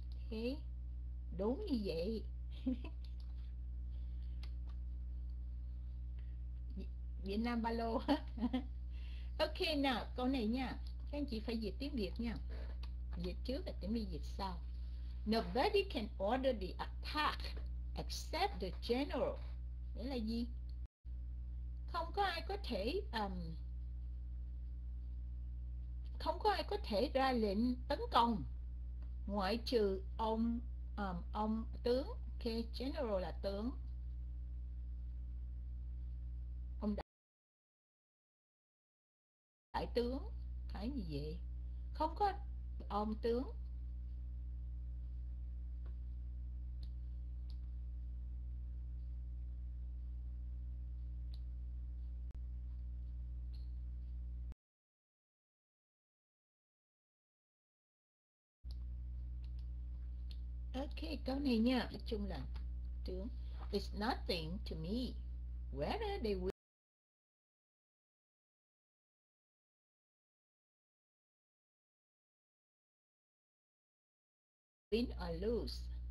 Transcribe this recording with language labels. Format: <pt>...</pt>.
<vi>Thế okay. Đúng như vậy. Việt Nam ba lô. Ok nào, câu này nha. Các anh chị phải dịch tiếng Việt nha. Dịch trước và Tiểu My dịch sau.</vi> <en>Nobody can order the attack except the general.</en> <vi>Nghĩa là gì? Không có ai có thể không có ai có thể ra lệnh tấn công ngoại trừ ông tướng. Okay, general là tướng. Ông đại tướng, cái gì vậy? Không có ông tướng. Okay, câu này nha, nói chung là tướng.</vi> <en>It's nothing to me whether they win or lose.</en>